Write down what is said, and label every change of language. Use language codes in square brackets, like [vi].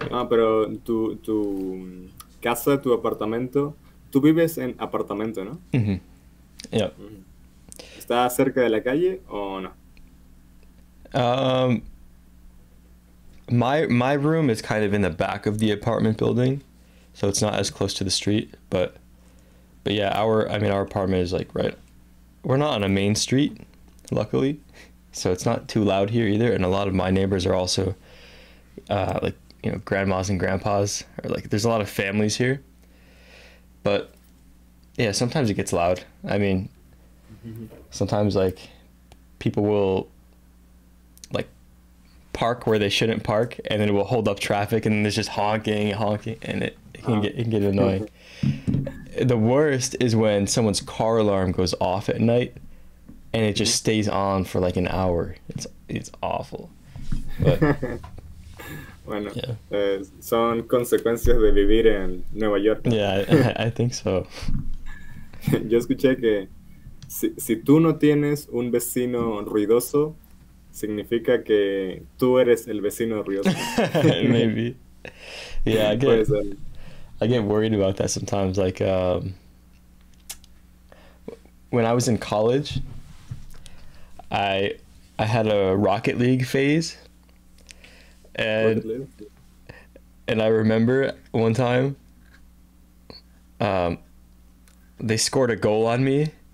[es] pero tu casa, tu apartamento, tú vives en apartamento, ¿no? [en] Mm-hmm. Yeah. Mm-hmm. [es] ¿Está cerca de la calle o no? [en] My room is kind of in the back of the apartment building, so it's not as close to the street, but yeah, our apartment is like right, we're not on a main street, luckily, so it's not too loud here either, and a lot of my neighbors are also, like, you know, grandmas and grandpas, or like, there's a lot of families here, but yeah, sometimes it gets loud. I mean, sometimes like people will park where they shouldn't park, and then it will hold up traffic, and then there's just honking, and it can get annoying. The worst is when someone's car alarm goes off at night, and it just stays on for like an hour. It's awful. But, [es] bueno, [en] yeah. [es] Son consecuencias de vivir en Nueva York. [en] Yeah, I think so. [es] Yo escuché que si tú no tienes un vecino ruidoso, significa que tú eres el vecino ruidoso. [en] Maybe. Yeah, I get worried about that sometimes. Like, when I was in college, I had a Rocket League phase. And I remember one time, they scored a goal on me.